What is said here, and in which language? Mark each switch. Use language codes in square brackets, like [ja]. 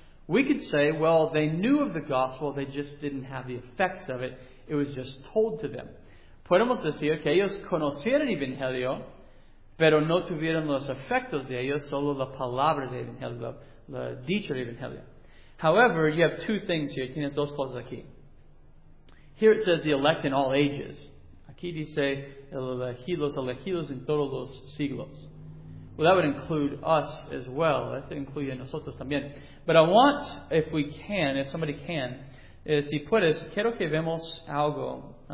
[en] We could say, well, they knew of the gospel, they just didn't have the effects of it. It was just told to them. [es] Podemos decir que ellos conocieron el Evangelio, pero no tuvieron los efectos de ellos, solo la palabra del Evangelio, la dicha del Evangelio. [en] However, you have two things here. [es] Tienes dos cosas aquí. [en] Here it says the elect in all ages. [es] Aquí dice elegidos en todos los siglos. [en] Well, that would include us as well. That would include [es] nosotros también. [en] But I want, if we can, if somebody can, [es] si puedes, quiero que vemos algo.